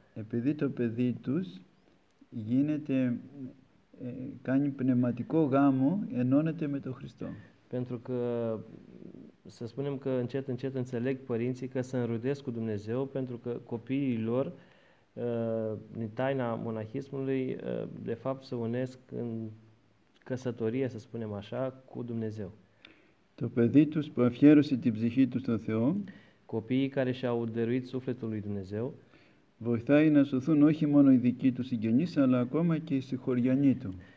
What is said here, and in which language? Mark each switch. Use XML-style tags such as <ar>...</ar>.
<el>Επειδή το παιδί τους γίνεται κάνει πνευματικό γάμο, ενώνεται με τον Χριστό.</el> <ro>Pentru că, să spunem că încet, încet înțeleg părinții că se înrudesc cu Dumnezeu, pentru că copiii lor, din taina monahismului, de fapt se unesc în căsătorie, să spunem așa, cu Dumnezeu.</ro> <el>Το παιδί τους που αφιέρωσε την ψυχή του στον Θεό,</el> <ro>copiii care și-au dăruit sufletul lui Dumnezeu,</ro> <el>βοηθάει να σωθούν όχι μόνο οι δικοί του συγγενείς, αλλά ακόμα και οι συγχωριανοί του.</el>